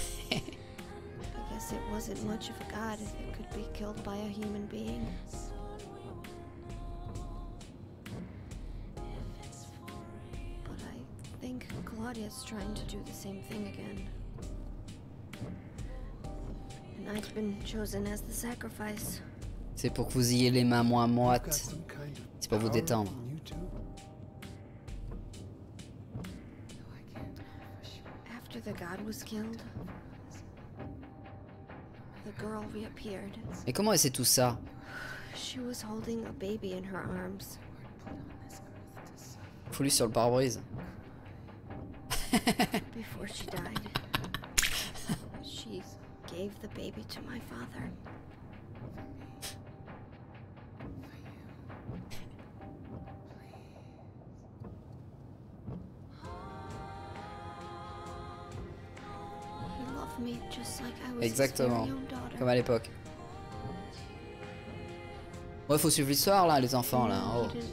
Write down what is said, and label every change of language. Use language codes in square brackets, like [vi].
[en] I guess it wasn't much of a god if it could be killed by a human being. But I think Claudia's trying to do the same thing again. I've been chosen as the sacrifice. [fr] C'est pour que vous ayez les mains moins moites. C'est pour vous détendre. [en] After the god was killed, the girl reappeared. [fr] Et comment elle sait tout ça? [en] She was holding a baby in her arms. [fr] Foulue sur le pare-brise. [en] Before she died, she gave the baby to my father. He loved me just like I was. [fr] Exactement. Comme à l'époque. Ouais, faut suivre l'histoire là, les enfants là. Oh.